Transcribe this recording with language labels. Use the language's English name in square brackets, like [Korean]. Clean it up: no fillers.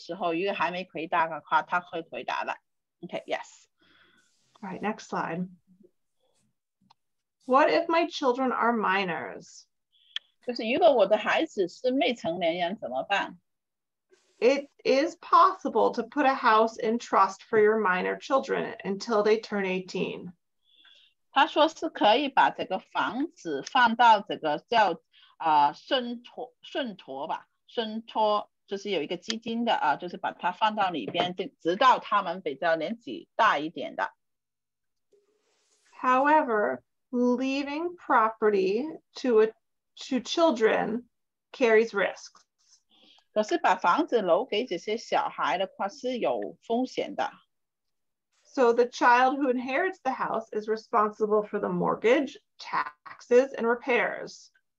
[Chinese] 他说这个问题是很好的，可是他说等一下的话，他可能会讲到，所以可能把这个楼道最后的时候，一个还没回答的话，他会回答的。Okay, yes. [English] All right, next slide. What if my children are minors? [Chinese] 就是如果我的孩子是未成年人怎么办? [English] It is possible to put a house in trust for your minor children until they turn 18. [Chinese] 他说是可以把这个房子放到这个叫信托吧，信托就是有一个基金的，就是把它放到里边，直到他们比较年纪大一点的。 [English] However, leaving property to children carries risks. [Chinese] 可是把房子留给这些小孩的话是有风险的。 [English] So the child who inherits the house is responsible for the mortgage, taxes, and repairs.